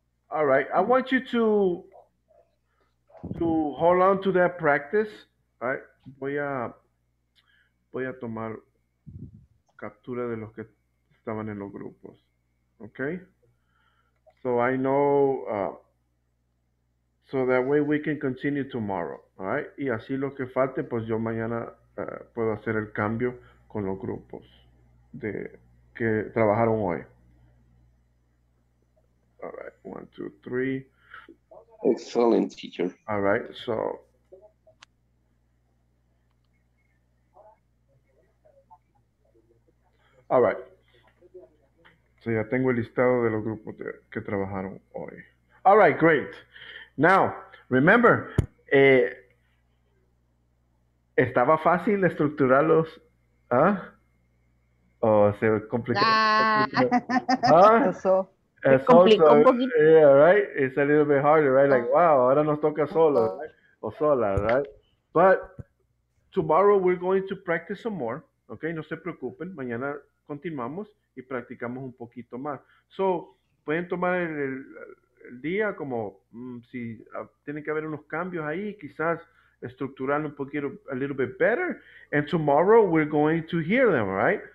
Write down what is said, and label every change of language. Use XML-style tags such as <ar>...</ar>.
<en>All right, I want you to hold on to that practice, right?</en> <es>Voy a tomar captura de los que estaban en los grupos, okay?</es> <en>So I know, so that way we can continue tomorrow, all right?</en> <es>Y así lo que falte, pues yo mañana puedo hacer el cambio con los grupos de que trabajaron hoy.</es> <en>All right, 1, 2, 3. Excellent, teacher. All right, so. All right.</en> <es>So ya tengo el listado de los grupos de, que trabajaron hoy.</es> <en>All right, great. Now, remember,</en> <es>¿estaba fácil estructurarlos?</es> <en>¿Ah?</en> <es>¿O se complicó? Se complicó un poquito.</es> <en>Yeah, right? It's a little bit harder, right? Like, wow,</en> <es>ahora nos toca solo,</es> <en>right?</en> <es>O sola,</es> <en>right? But tomorrow we're going to practice some more, okay?</en> <es>No se preocupen, mañana continuamos y practicamos un poquito más. So, pueden tomar el día, como tiene que haber unos cambios ahí, quizás estructurar un poquito,</es> <en>a little bit better, and tomorrow we're going to hear them, right?</en>